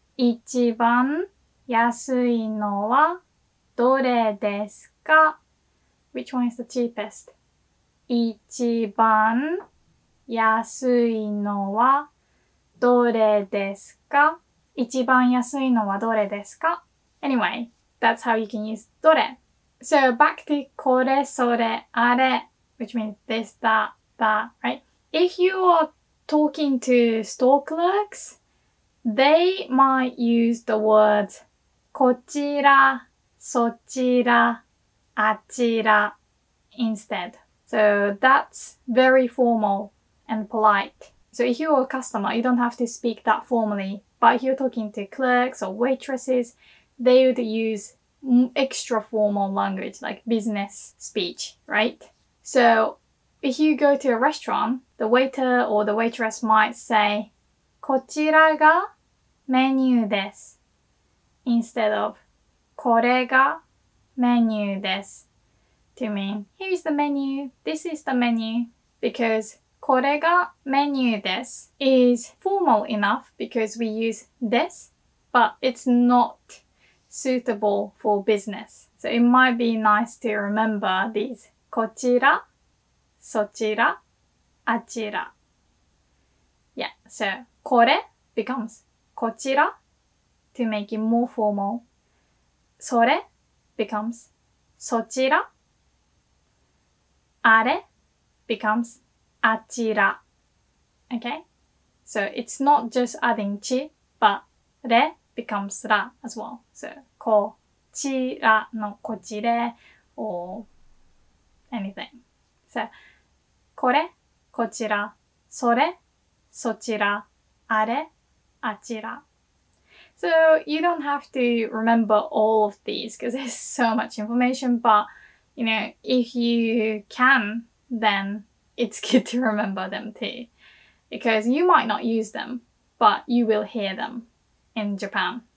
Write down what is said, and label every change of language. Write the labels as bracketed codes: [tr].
[ja] 一番安いのはどれですか? [en] Which one is the cheapest? [ja] 一番安いのはどれですか? 一番安いのはどれですか? [en] Anyway, that's how you can use どれ. So back to これ、それ、あれ, which means this, that, that, right? If you are talking to store clerks, they might use the words, [ja] こちら、そちら、あちら [en] instead. So that's very formal and polite. So if you're a customer, you don't have to speak that formally. But if you're talking to clerks or waitresses, they would use extra formal language, like business speech, right? So if you go to a restaurant, the waiter or the waitress might say, [ja] こちらがメニューです。 [en] Instead of, [ja] これがメニューです。 [en] To mean, here's the menu, this is the menu. Because, [ja] これがメニューです [en] is formal enough because we use this, but it's not suitable for business. So it might be nice to remember these. [ja] こちら、そちら、あちら。 [en] Yeah, so, これ becomes, こちら。 To make it more formal, それ becomes [ja] そちら、 [en] あれ becomes [ja] あちら。 [en] Okay? So it's not just adding ち, but [ja] れ [en] becomes ら as well. So [ja] こちらのこちれ or [en] anything. [ja] So, これ、こちら、それ、そちら、あれ、あちら。 [en] So, you don't have to remember all of these because there's so much information, but, you know, if you can, then it's good to remember them too. Because you might not use them, but you will hear them in Japan.